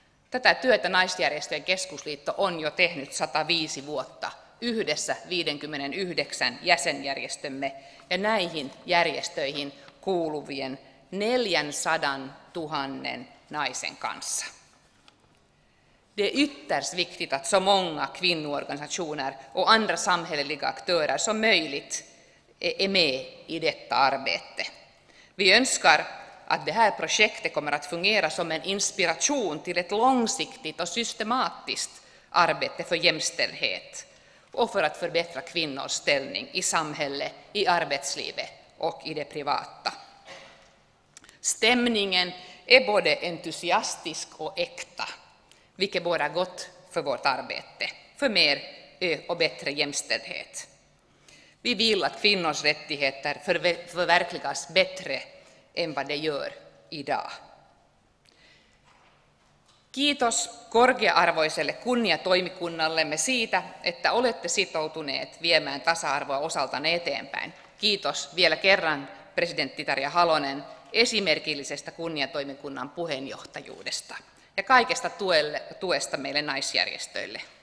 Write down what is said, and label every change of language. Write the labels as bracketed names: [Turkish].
[Finnish] Tätä työtä Naisjärjestöjen keskusliitto on jo tehnyt 105 vuotta yhdessä 59 jäsenjärjestömme ja näihin järjestöihin kuuluvien 400 000 naisen kanssa. [Swedish] Det är ytterst viktigt att så många kvinnoorganisationer och andra samhälleliga aktörer som möjligt är med i detta arbete. Vi önskar att det här projektet kommer att fungera som en inspiration till ett långsiktigt och systematiskt arbete för jämställdhet och för att förbättra kvinnors ställning i samhället, i arbetslivet och i det privata. Stämningen är både entusiastisk och äkta, vilket bådar gott för vårt arbete, för mer och bättre jämställdhet. Vi vill att kvinnors rättigheter förverkligas bättre än vad det gör idag. [Finnish] Kiitos korkea-arvoiselle kunniatoimikunnallemme siitä, että olette sitoutuneet viemään tasa-arvoa osaltanne eteenpäin. Kiitos vielä kerran presidentti Tarja Halonen esimerkillisestä kunniatoimikunnan puheenjohtajuudesta ja kaikesta tuesta meille naisjärjestöille.